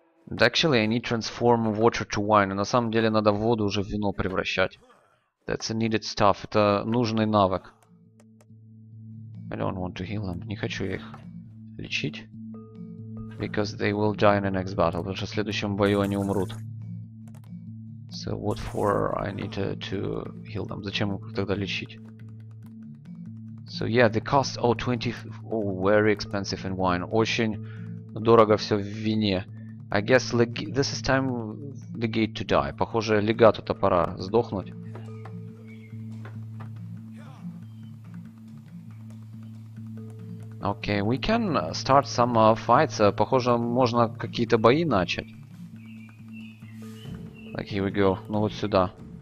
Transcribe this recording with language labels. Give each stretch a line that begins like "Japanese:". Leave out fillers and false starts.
English: And actually, I need transform water to wine.
Russian: На самом деле, надо воду уже в вино превращать.
English: That's a needed stuff.
Russian: Это нужный навык.
English: I don't want to heal them.
Russian: Не хочу их лечить.
English: Because they will die in the next battle.
Russian: Потому что в следующем бою они умрут.
English: So what for I need to heal them?
Russian: Зачем их тогда лечить?
English: So yeah, the cost... Oh, 20... Oh, very expensive in wine.
Russian: Очень дорого все в вине.
English: I guess this is time the gate to die.
Russian: Похоже, легату-то пора сдохнуть.
English: Okay, we can start some fights.
Russian: Похоже, можно какие-то бои начать.
English: Like, here we go.
Russian: Ну вот сюда.